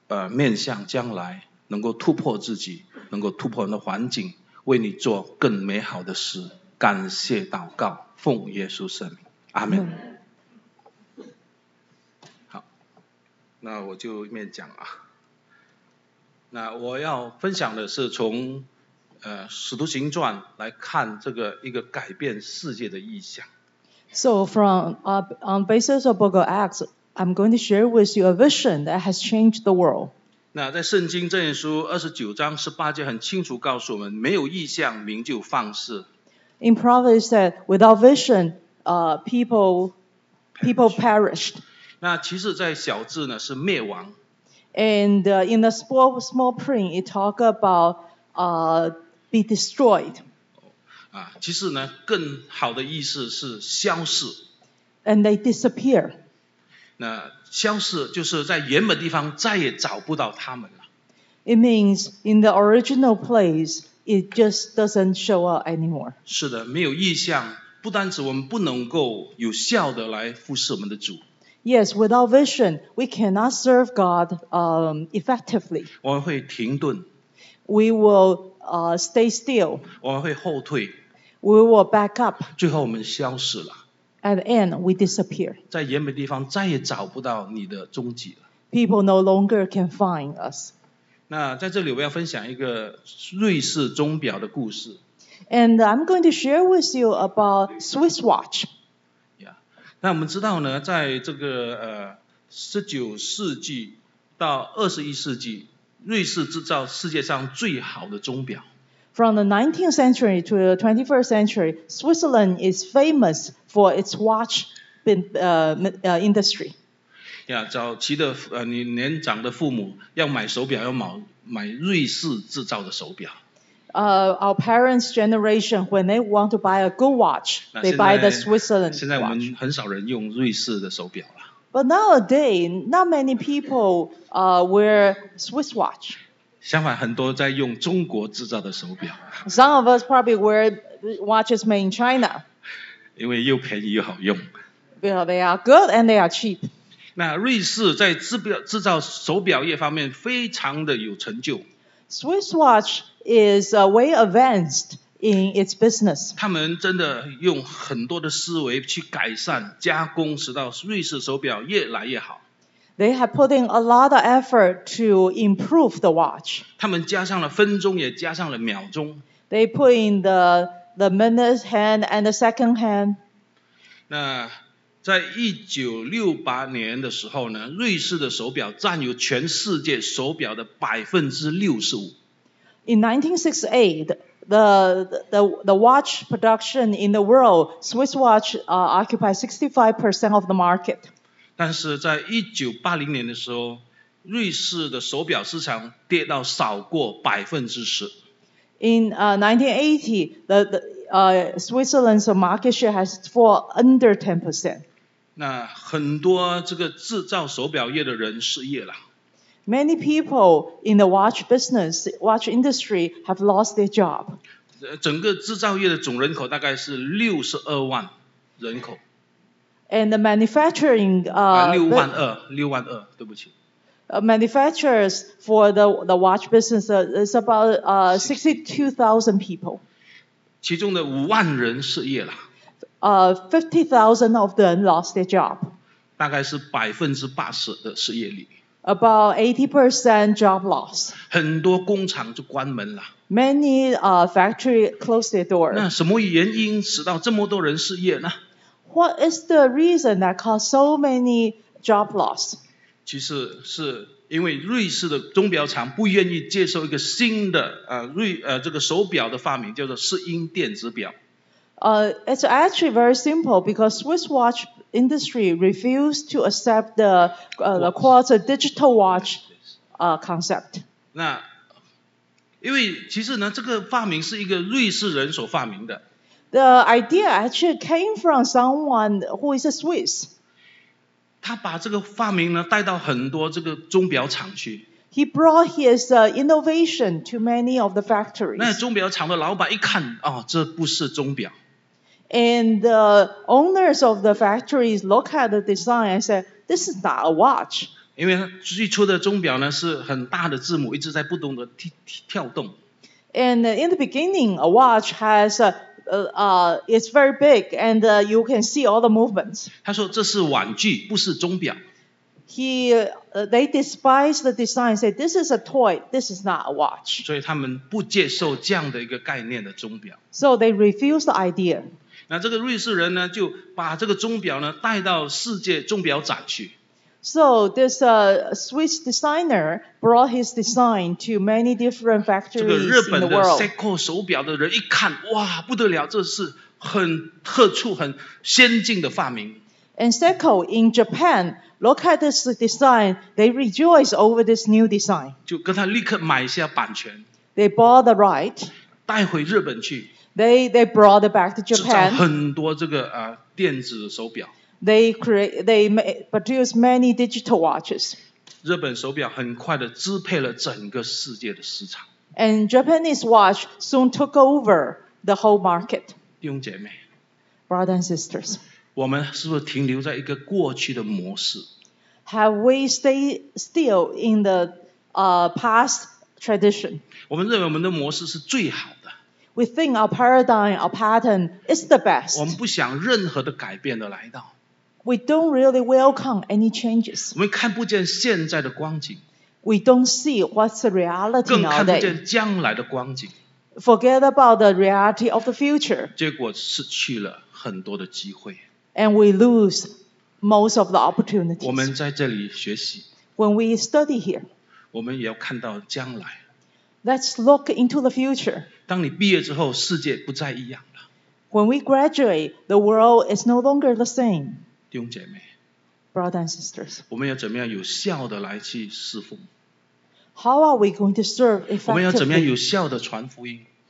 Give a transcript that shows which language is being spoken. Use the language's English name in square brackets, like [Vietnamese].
[Chinese] 面向将来能够突破自己能够突破我们的环境为你做更美好的事，感谢祷告，奉耶稣圣名，阿门。好，那我就一面讲啊。那我要分享的是从《使徒行传》来看这个一个改变世界的意象。 [English] So from on basis of Book of Acts, I'm going to share with you a vision that has changed the world. [Chinese] 那在圣经箴言书29:18很清楚告诉我们没有异象名就放肆。 [English] In Proverbs said, without vision, people perished. [Chinese] 那其实在小字呢是灭亡。 [English] And in the small print, it talk about be destroyed. [Chinese] 其实呢更好的意思是消逝。 [English] And they disappear. [Chinese] 那消失就是在原本地方再也找不到他们了。 [English] It means in the original place, it just doesn't show up anymore. [Chinese] 是的，没有异象，不单指我们不能够有效的来服侍我们的主。 [English] Yes, without vision, we cannot serve God effectively. [Chinese] 我们会停顿。 [English] We will stay still. [Chinese] 我们会后退。 [English] We will back up. [Chinese] 最后我们消失了。 [English] At the end, we disappear. [Chinese] 在原本地方再也找不到你的踪迹了。 [English] People no longer can find us. [Chinese] 那在这里我要分享一个瑞士钟表的故事。 [English] And I'm going to share with you about Swiss watch. Yeah. [Chinese] 那我们知道呢，在这个19世纪到21世纪，瑞士制造世界上最好的钟表。 [English] From the 19th century to the 21st century, Switzerland is famous for its watch industry. [Chinese] 早期的你年长的父母要买手表要买瑞士制造的手表。 [English] Our parents' generation, when they want to buy a good watch, they buy the Switzerland watch. [Chinese] 现在我们很少人用瑞士的手表了。 [English] But nowadays, not many people wear Swiss watch. [Chinese] 相反，很多在用中国制造的手表。 [English] Some of us probably wear watches made in China. [Chinese] 因为又便宜又好用。 [English] Because they are good and they are cheap. [Chinese] 那瑞士在制造手表业方面非常的有成就。 [English] Swiss watch is way advanced in its business. [Chinese] 他们真的用很多的思维去改善加工，使到瑞士手表越来越好。 [English] They have put in a lot of effort to improve the watch. [Chinese] 他们加上了分钟，也加上了秒钟。 [English] They put in the minute hand and the second hand. [Chinese] 那在1968年的时候呢，瑞士的手表占有全世界手表的65%。 [English] In 1968, the watch production in the world, Swiss watch occupied 65% of the market. [Chinese] 但是在1980年的时候，瑞士的手表市场跌到少过10%。 [English] In 1980, Switzerland's market share has fallen under 10%. [Chinese] 那很多这个制造手表业的人失业了。 [English] Many people in the watch business, watch industry have lost their job. [Chinese] 整个制造业的总人口大概是62万人口。 [English] And the manufacturing [Chinese] 62万， [English] Manufacturers for the watch business is about 62,000 people. [Chinese] 其中的5万人失业了。 [English] 50,000 of them lost their job. [Chinese] 大概是80%的失业率。 [English] About 80% job loss. [Chinese] 很多工厂就关门了。 [English] Many factory closed their door. [Chinese] 那什么原因使到这么多人失业呢？ [English] What is the reason that caused so many job loss? [Chinese] 其实是因为瑞士的钟表厂不愿意接受一个新的这个手表的发明，叫做石英电子表。 [English] It's actually very simple because Swiss watch industry refused to accept the quarter digital watch concept. [Chinese] 那因为其实呢，这个发明是一个瑞士人所发明的。 [English] The idea actually came from someone who is a Swiss. [Chinese] 他把这个发明呢带到很多这个钟表厂去。 [English] He brought his innovation to many of the factories. [Chinese] 那钟表厂的老板一看，哦，这不是钟表。 [English] And the owners of the factories look at the design and said, this is not a watch. [Chinese] 因为最初的钟表呢是很大的字母一直在不断的跳动。 [English] And in the beginning, a watch has it's very big and you can see all the movements. [Chinese] 他说这是玩具，不是钟表。 [English] They despise the design, say, this is a toy, this is not a watch. [Chinese] 所以他们不接受这样的一个概念的钟表。 [English] So they refuse the idea. [Chinese] 那这个瑞士人呢，就把这个钟表呢带到世界钟表展去。 [English] So this Swiss designer brought his design to many different factories in the world. [Chinese] 这个日本的 Seiko 手表的人一看，哇，不得了，这是很特殊、很先进的发明。 [English] And Seiko in Japan look at this design, they rejoice over this new design. [Chinese] 就跟他立刻买下版权。 [English] They bought the right. [Chinese] 带回日本去。 [English] They brought it back to Japan. [Chinese] 制造很多这个电子手表。 [English] They produce many digital watches. [Chinese] 日本手表很快的支配了整个世界的市场。 [English] And Japanese watch soon took over the whole market. [Chinese] 弟兄姐妹。 [English] Brothers and sisters. [Chinese] 我们是不是停留在一个过去的模式？ [English] Have we stayed still in the past tradition? [Chinese] 我们认为我们的模式是最好。 [English] We think our paradigm, our pattern is the best. [Chinese] 我们不想任何的改变的来到。 [English] We don't really welcome any changes. [Chinese] 我们看不见现在的光景。 [English] We don't see what's the reality nowadays. [Chinese] 更看不见将来的光景。 [English] Forget about the reality of the future. [Chinese] 结果失去了很多的机会。 [English] And we lose most of the opportunities. [Chinese] 我们在这里学习。 [English] When we study here. [Chinese] 我们也要看到将来。 [English] Let's look into the future. [Chinese] 当你毕业之后，世界不再一样了。 [English] When we graduate, the world is no longer the same. [Chinese] 弟兄姐妹。 [English] Brothers and sisters. [Chinese] 我们要怎么样有效的来去侍奉？ [English] How are we going to serve effectively? [Chinese] 我们要怎么样有效的传福音？